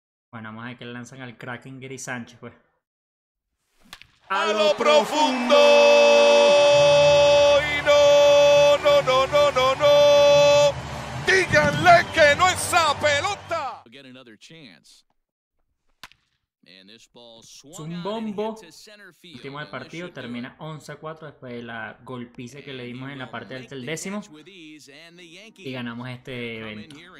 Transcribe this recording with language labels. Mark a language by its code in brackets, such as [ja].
[es] Bueno, vamos a ver que le lanzan al Kraken Gary Sánchez, pues. ¡A lo profundo! ¡Y no, no, no, no, no, no! ¡Díganle que no es esa pelota! [en] Get another chance. And this ball swung on and hit to center field. [es] Último del partido, termina 11-4 después de la golpiza que le dimos en la parte alta del décimo. Y ganamos este evento.